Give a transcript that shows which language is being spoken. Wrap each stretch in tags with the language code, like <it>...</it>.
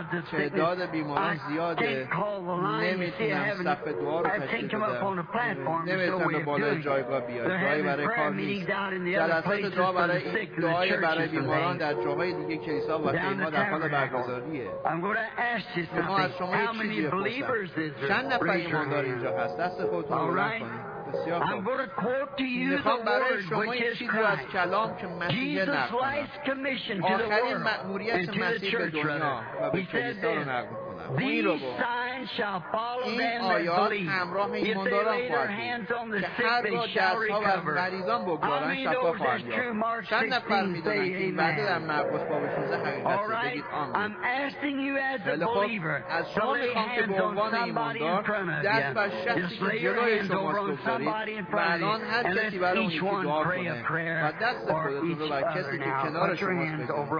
<fa>تعداد بیماران زیاده، نمیتونم صف دعا رو تشکیل بدم، نمیتونم به بالای جایگاه بیاد، جایی برای کار نیست. جلسات دعا برای این دعای برای بیماران در جاهای دیگه کلیسا و خیما در حال برگزاریه. شما از شما یک چیزی بپرسم، چند نفر ایمان داری اینجا هست؟ دست خودتون رو بلند کنید.</fa> <en>I'm going to quote to you the word which is Christ. Jesus commission to the world and to the church rather. He said this, these signs shall follow them that believe. If they lay their hands on the sick, they shall recover. I mean, those are true Mark 16, say amen. All right, I'm asking you as a believer, to lay hands on somebody in front of you. Just lay your hands over on somebody.</en> <fa>و الان هر کسی برای اون یکی دعا کنه و دست خودتون رو بر کسی که کنار شماست</fa>